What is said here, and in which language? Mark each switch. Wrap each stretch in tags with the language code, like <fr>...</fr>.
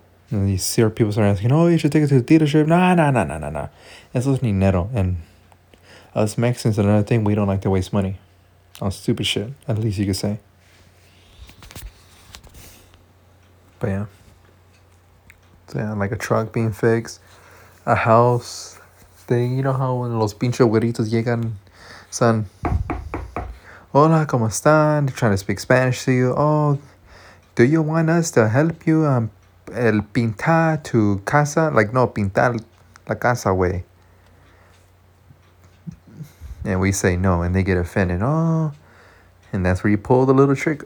<en>And you see people start asking, oh, you should take it to the dealership. No.</en> <es>Eso es dinero.</es> <en>And us Mexicans, another thing, we don't like to waste money on stupid shit, at least you could say. But yeah. So yeah, like a truck being fixed, a house thing. You know how when</en> <es>los pinche güeritos llegan, son, hola, como están?</es> <en>They're trying to speak Spanish to you. Oh, do you want us to help you</en> <es>el pintar tu casa?</es> <en>Like,</en> <es>no, pintar la casa, güey.</es> <en>And we say no, and they get offended. Oh, and that's where you pull the little trick.</en>